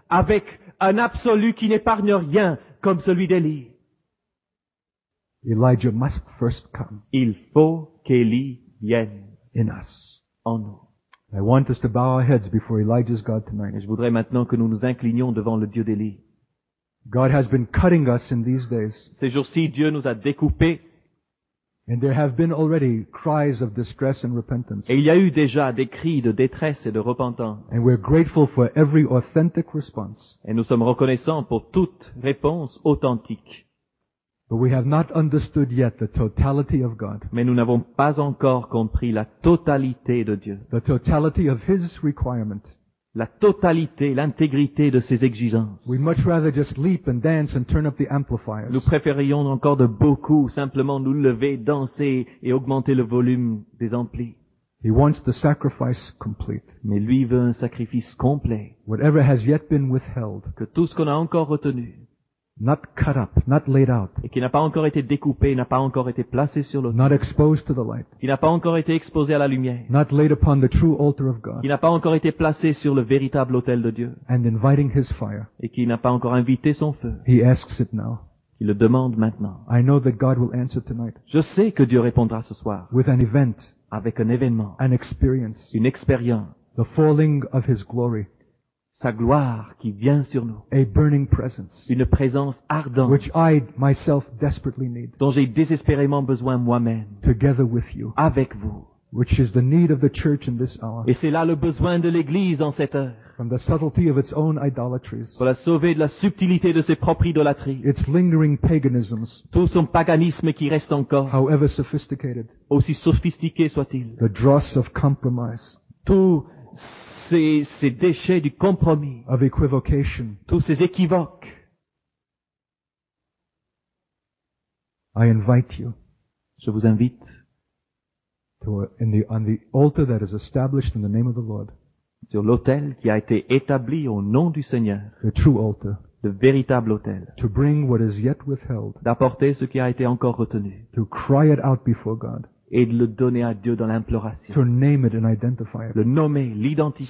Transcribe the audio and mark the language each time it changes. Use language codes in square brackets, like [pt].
[fr] avec un absolu qui n'épargne rien comme celui d'Élie. [en] Elijah must first come. [fr] Il faut qu'Élie vienne [en] in us. [fr] En nous. [en] I want us to bow our heads before Elijah's God tonight. [fr] Et je voudrais maintenant que nous nous inclinions devant le Dieu d'Élie. [en] God has been cutting us in these days. [fr] Ces jours-ci, Dieu nous a découpés. [en] And there have been already cries of distress and repentance. [fr] Et il y a eu déjà des cris de détresse et de repentance. [en] And we're grateful for every authentic response. [fr] Et nous sommes reconnaissants pour toute réponse authentique. [en] But we have not understood yet the totality of God. [fr] Mais nous n'avons pas encore compris la totalité de Dieu. [en] The totality of His requirement. [fr] La totalité, l'intégrité de ses exigences. [en] We much rather just leap and dance and turn up the amplifiers. [fr] Nous préférions encore de beaucoup simplement nous lever, danser et augmenter le volume des amplis. [en] He wants the sacrifice complete. [fr] Mais lui veut un sacrifice complet. [en] Whatever has yet been withheld. [fr] Que tout ce qu'on a encore retenu. [en] Not cut up, not laid out. [fr] Et qui n'a pas encore été découpé, n'a pas encore été placé sur l'autel. [en] Not exposed to the light. [fr] Qui n'a pas encore été exposé à la lumière. [en] Not laid upon the true altar of God. [fr] Qui n'a pas encore été placé sur le véritable autel de Dieu. [en] And inviting his fire. [fr] Et qui n'a pas encore invité son feu. [en] He asks it now. [fr] Il le demande maintenant. [en] I know that God will answer tonight. [fr] Je sais que Dieu répondra ce soir. [en] With an event. [fr] Avec un événement. [en] An experience. [fr] Une expérience. [en] The falling of his glory. [fr] Sa gloire qui vient sur nous. [en] A burning presence. [fr] Une présence ardente. [en] Which I myself desperately need. [fr] Dont j'ai désespérément besoin moi-même. [en] Together with you. [fr] Avec vous. [en] Which is the need of the church in this hour. [fr] Et c'est là le besoin de l'église en cette heure. [en] From the subtlety of its own idolatries. [fr] Pour la sauver de la subtilité de ses propres idolâtries. [en] Its lingering paganisms. [fr] Tout son paganisme qui reste encore. [en] However sophisticated. [fr] Aussi sophistiqué soit-il. [en] The dross of compromise. [fr] Tout ces déchets du compromis, [en] of equivocation, [fr] tous ces équivoques. [en] I invite you, [fr] je vous invite [en] on the altar that is established in the name of the Lord. [fr] Sur l'autel qui a été établi au nom du Seigneur. [en] The true altar. [fr] Le véritable autel. [en] To bring what is yet withheld. [fr] D'apporter ce qui a été encore retenu. [en] To cry it out before God. [fr] Et de le donner à Dieu dans l'imploration. [en] To name it and identify it. [fr] Le nommer, l'identifier.